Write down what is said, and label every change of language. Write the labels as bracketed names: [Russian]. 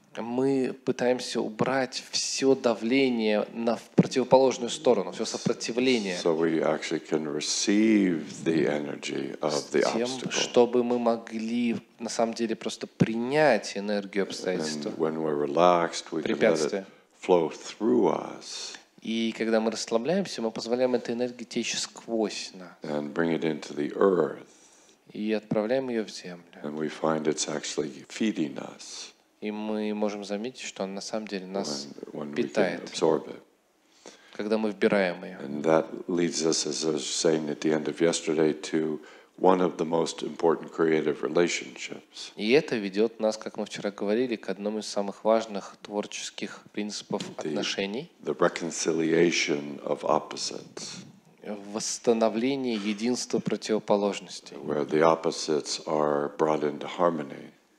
[Russian] Мы пытаемся убрать все давление на противоположную сторону, все сопротивление. [English] So we actually can receive the energy of the obstacle. [Russian] С тем, чтобы мы могли на самом деле просто принять энергию обстоятельства. [English] And when we're relaxed, we can let it flow through us. [Russian] И когда мы расслабляемся, мы позволяем этой энергии течь сквозь нас. [English] And bring it into the earth. [Russian] и отправляем ее в землю. [English] And we find it's actually feeding us. [Russian] И мы можем заметить, что она на самом деле нас питает, когда мы вбираем ее. [English] And that leads us, as I was saying at the end of yesterday, to one of the most important creative relationships. [Russian] И это ведет нас, как мы вчера говорили, к одному из самых важных творческих принципов отношений. [English] The reconciliation of opposites. [Russian] Восстановление единства противоположностей. [English] Where the opposites are brought into harmony.